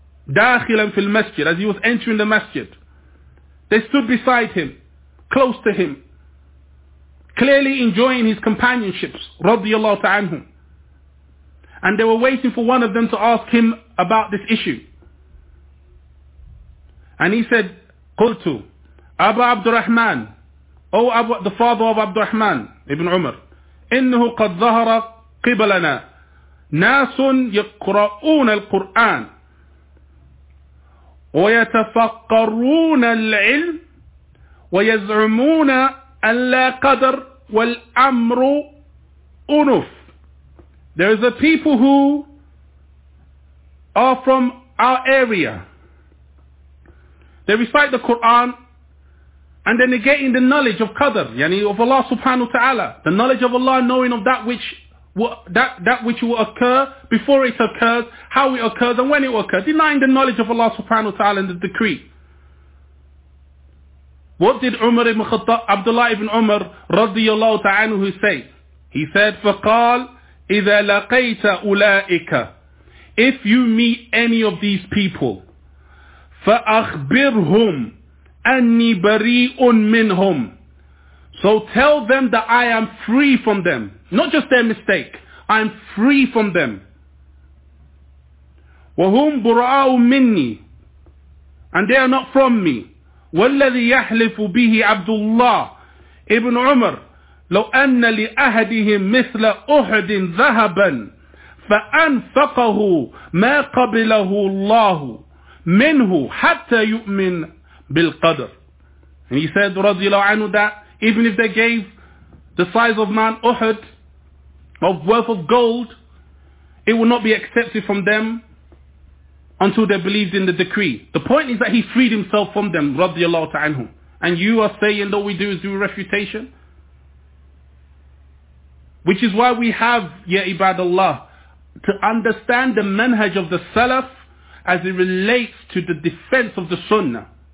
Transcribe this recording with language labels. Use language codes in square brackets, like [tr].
[ar] داخلا في المسجد, [en] as he was entering the masjid. They stood beside him, close to him, clearly enjoying his companionships, [ar] رضي الله تعالى عنهم. [en] And they were waiting for one of them to ask him about this issue. And he said, [ar] قلتُ أبو عبد الرحمن, [en] O Abu, the father of Abdul Rahman ibn Umar, [ar] إنه قد ظهر قبلنا ناس يقرؤون القرآن ويتفقرون العلم ويزعمون أن لا قدر والأمر أنف. [en] There is a people who are from our area. They recite the Quran and they're negating the knowledge of Qadr, yani of Allah subhanahu wa ta'ala, the knowledge of Allah, knowing of that which will occur before it occurs, how it occurs and when it will occur, denying the knowledge of Allah subhanahu wa ta'ala and the decree. What did Umar ibn Khattab, Abdullah ibn Umar radiyallahu ta'anuhu say? He said, [ar] فقال إذا لقيت أولئك, [en] if you meet any of these people, [ar] فأخبرهم أني بريء منهم, [en] so tell them that I am free from them, not just their mistake, I am free from them. [ar] وهم براء مني, [en] and they are not from me. [ar] والذي يحلف به عبد الله ابن عمر لو أن لأهدهم مثل أحد ذهبا فأنفقه ما قبله الله منه حتى يؤمن بالقدر. [en] And he said [ar] رضي الله عنه [en] that even if they gave the size of man Uhud, of worth of gold, it would not be accepted from them until they believed in the decree. The point is that he freed himself from them [ar] رضي الله تعالى عنه. [en] And you are saying that we do is do refutation, which is why we have, Ya Ibadallah, to understand the manhaj of the Salaf as it relates to the defense of the Sunnah.